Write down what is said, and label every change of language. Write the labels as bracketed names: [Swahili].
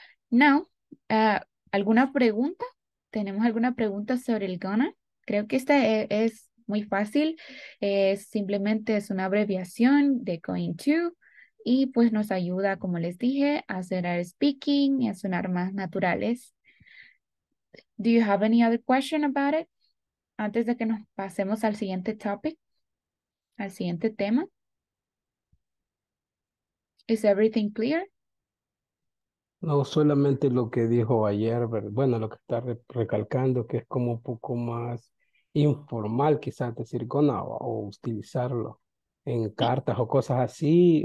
[Spanish] Now, ¿alguna pregunta? ¿Tenemos alguna pregunta sobre el gonna? Creo que esta es muy fácil. Simplemente es una abreviación de going to y pues nos ayuda, como les dije, a hacer el speaking y a sonar más naturales. [English] Do you have any other question about it? [Spanish] Antes de que nos pasemos al siguiente topic, al siguiente tema. [English] Is everything clear? [Spanish] No, solamente lo que dijo ayer, bueno, lo que está recalcando, que es como un poco más informal, quizás decir gonna o utilizarlo en cartas o cosas así.